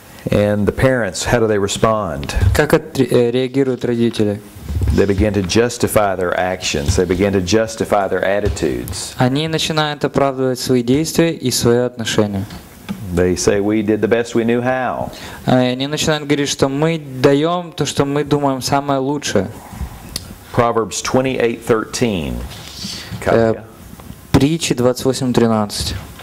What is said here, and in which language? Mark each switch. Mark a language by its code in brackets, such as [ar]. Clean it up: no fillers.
[en] And the parents, how do they respond? [ru] Как реагируют родители? [en] They begin to justify their actions. They begin to justify their attitudes. [ru] Они начинают оправдывать свои действия и свое отношение. [en] They say we did the best we knew how. [ru] Они начинают говорить, что мы даем то, что мы думаем самое лучшее. [en] Proverbs 28:13. [ru] Притчи 28:13.